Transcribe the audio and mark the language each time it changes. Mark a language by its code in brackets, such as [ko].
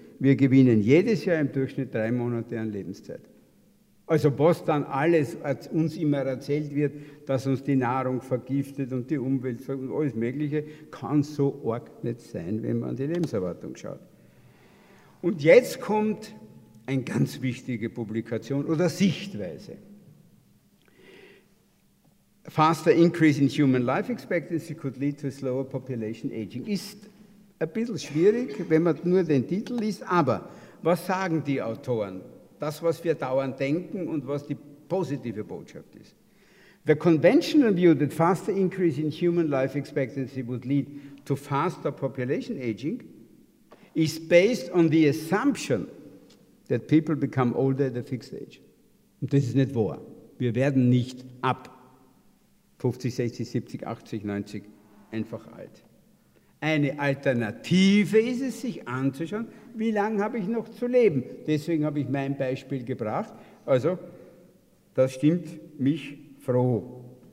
[de] Wir gewinnen jedes Jahr im Durchschnitt 3 Monate an Lebenszeit. Also was dann alles uns immer erzählt wird, dass uns die Nahrung vergiftet und die Umwelt und alles Mögliche, kann so arg nicht sein, wenn man an die Lebenserwartung schaut. Und jetzt kommt eine ganz wichtige Publikation oder Sichtweise. [en] Faster increase in human life expectancy could lead to slower population aging. [de] Ist ein bisschen schwierig, wenn man nur den Titel liest, aber was sagen die Autoren? Das, was wir dauernd denken und was die positive Botschaft ist. [en] The conventional view that faster increase in human life expectancy would lead to faster population aging is based on the assumption that people become older at a fixed age. [de] Und das ist nicht wahr. Wir werden nicht ab 50, 60, 70, 80, 90 einfach alt. Eine Alternative ist es, sich anzuschauen, wie lange habe ich noch zu leben. Deswegen habe ich mein Beispiel gebracht. Also, das stimmt mich froh.